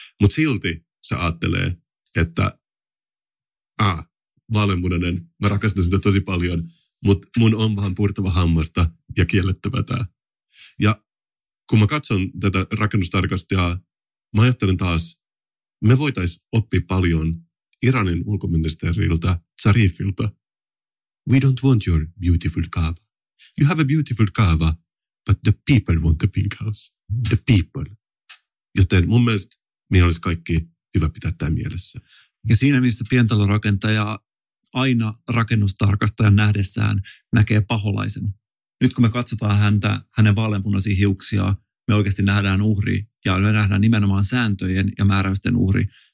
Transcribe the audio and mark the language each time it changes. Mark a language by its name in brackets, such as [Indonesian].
[Finnish] Mutta silti se ajattelee, että vaaleanpunainen, mä rakastan sitä tosi paljon, mutta mun on vaan purtava hammasta ja kiellettävä tämä. Ja kun mä katson tätä rakennustarkastajaa, mä ajattelen taas, me voitaisiin oppia paljon Iranin ulkoministeriltä Zarifilta. [English] We don't want your beautiful kaava. You have a beautiful kaava, but the people want the pink house. The people. [Finnish] Joten mun mielestä meillä olisi kaikki hyvä pitää tämä mielessä. Ja siinä, missä pientalorakentaja aina rakennustarkastajan nähdessään näkee paholaisen. Nyt kun me katsotaan häntä, hänen vaaleanpunaisia hiuksia, me oikeasti nähdään uhri ja me nähdään nimenomaan sääntöjen ja määräysten uhri.